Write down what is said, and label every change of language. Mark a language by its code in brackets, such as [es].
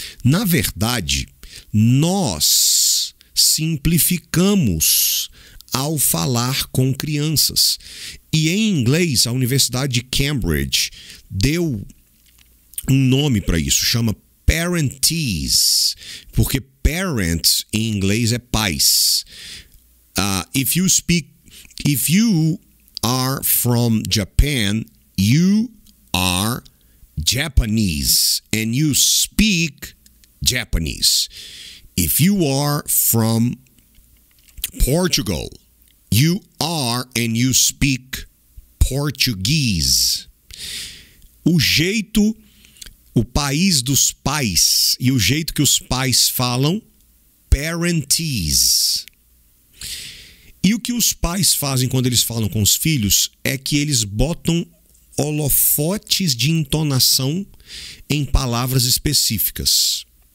[pt] Na verdade, nós simplificamos ao falar com crianças. E em inglês, a Universidade de Cambridge deu um nome para isso, chama parentese, porque parents em inglês é pais. [en] If you are from Japan, you are Japanese and you speak Japanese. If you are from Portugal, you are and you speak Portuguese. [pt] O jeito, o país dos pais e o jeito que os pais falam, parentese. E o que os pais fazem quando eles falam com os filhos é que eles botam holofotes de entonação em palavras específicas.